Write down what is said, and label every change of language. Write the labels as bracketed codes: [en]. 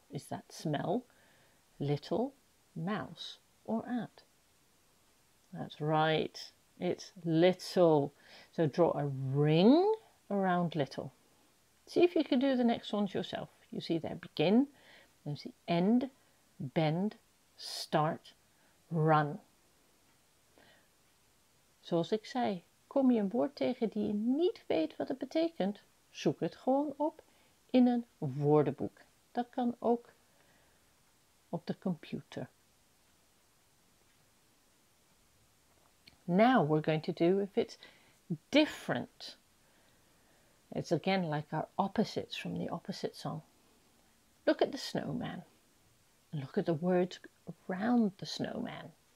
[en] Is that smell, little, mouse, or ant? That's right. It's little. So draw a ring around little. See if you can do the next ones yourself. You see there, begin, then you see end, bend, start, run. [nl] Zoals ik zei, kom je een woord tegen die je niet weet wat het betekent, zoek het gewoon op in een woordenboek. Dat kan ook op de computer. [en] Now we're going to do if it's different. It's again like our opposites from the opposite song. Look at the snowman. Look at the words around the snowman.